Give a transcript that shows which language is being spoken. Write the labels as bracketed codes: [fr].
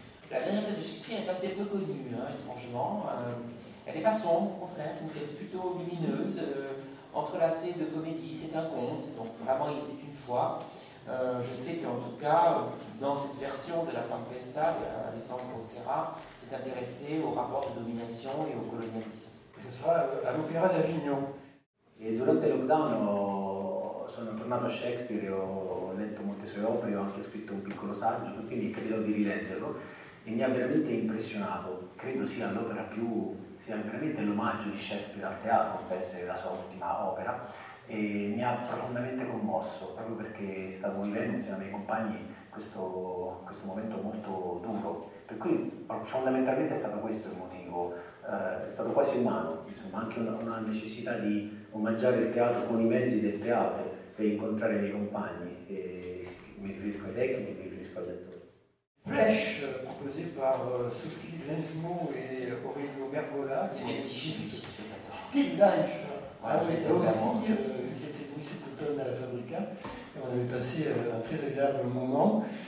[fr] La dernière pièce de Shakespeare est assez peu connue, hein, étrangement. Elle n'est pas sombre, au contraire, c'est une pièce plutôt lumineuse, entrelacée de comédies, c'est un conte, donc vraiment, il est une fois. Je sais qu'en tout cas, dans cette version de la Tempesta, Alessandro Serra s'est intéressé aux rapports de domination et au colonialisme. Ce sera à l'Opéra d'Avignon. Et durant le lockdown, [it] sono tornato a Shakespeare, ho letto molte sue opere, ho anche scritto un piccolo saggio, quindi credo di rileggerlo e mi ha veramente impressionato. Credo sia l'opera più, sia veramente l'omaggio di Shakespeare al teatro, per essere la sua ultima opera. E mi ha profondamente commosso, proprio perché stavo vivendo insieme ai miei compagni questo momento molto duro. Per cui fondamentalmente è stato questo il motivo, è stato quasi umano, insomma, anche una necessità di omaggiare il teatro con i mezzi del teatro per incontrare i miei compagni. E mi riferisco ai tecnici, mi riferisco agli attori. [fr] Flash, proposé par Sophie Lensmont e Aurelio Mergola. [en] Still Life. [fr] Voilà, ils étaient venus cet automne à la Fabrica et on avait passé un très agréable moment.